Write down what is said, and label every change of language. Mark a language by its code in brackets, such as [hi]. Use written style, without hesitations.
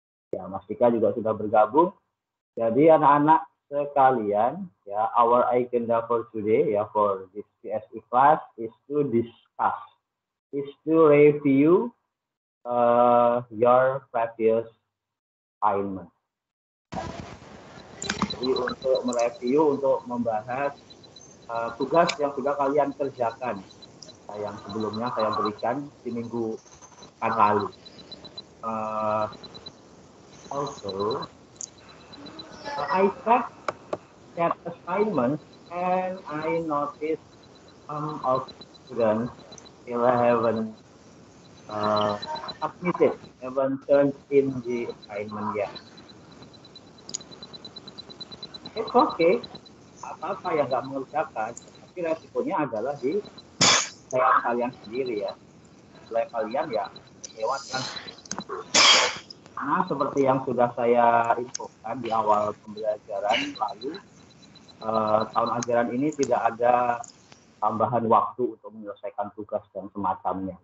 [id] Ya, Mas Dika juga sudah bergabung. Jadi anak-anak sekalian, ya, [en] our agenda for today, ya, for this PSE class is to discuss, is to review your previous assignment. [id] Jadi untuk mereview, untuk membahas tugas yang sudah kalian kerjakan, yang sebelumnya saya berikan di minggu kan lalu. [en] Also, I check that assignment and I notice some of students still haven't submitted, haven't turned in the assignment yet. It's okay, [id] apa-apa yang nggak mengerjakan, tapi resikonya adalah di kalian sendiri ya. Selain kalian ya, lewatkan. Karena seperti yang sudah saya infokan di awal pembelajaran lalu, tahun ajaran ini tidak ada tambahan waktu untuk menyelesaikan tugas dan semacamnya.